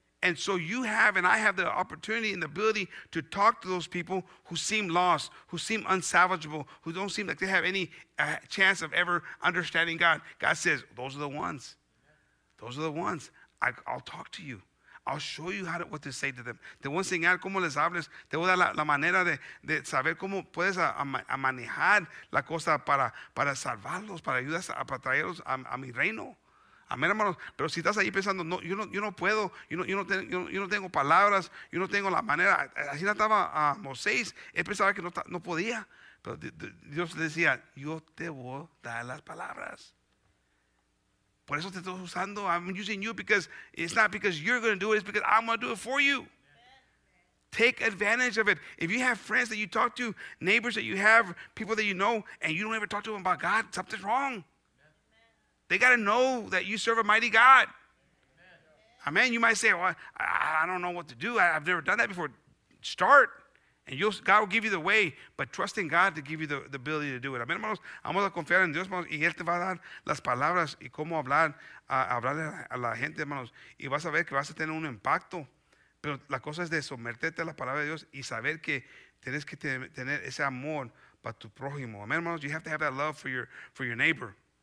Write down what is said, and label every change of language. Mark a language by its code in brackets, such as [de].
[en] And so you have and I have the opportunity and the ability to talk to those people who seem lost, who seem unsalvageable, who don't seem like they have any chance of ever understanding God. God says, those are the ones. Amen. Those are the ones. I'll talk to you. I'll show you what to say to them. [es] Te voy a enseñar cómo les hables. Te voy a dar la manera de saber cómo puedes a manejar la cosa para salvarlos, para ayudar para traerlos a mi reino. Amén, hermanos. Pero si estás ahí pensando, no, yo no puedo, yo no tengo palabras, yo no tengo la manera. Así no estaba a Moisés. Él pensaba que no podía. Pero Dios le decía, yo te voy a dar las palabras. Por eso te estoy usando. [en] I'm using you because it's not because you're going to do it. It's because I'm going to do it for you. Amen. Take advantage of it. If you have friends that you talk to, neighbors that you have, people that you know, and you don't ever talk to them about God, something's wrong. Amen. They got to know that you serve a mighty God. Amen. Amen. You might say, well, I don't know what to do. I've never done that before. Start. And God will give you the way, but trust in God to give you the ability to do it. [es] Amén, hermanos. Vamos a confiar en Dios, hermanos, y Él te va a dar las palabras y cómo hablarle a la gente, hermanos. Y vas a ver que vas a tener un impacto. Pero la cosa es de someterte a la palabra de Dios y saber que tienes que tener ese amor para tu prójimo. Amén, hermanos. [en] You have to have that love for your neighbor.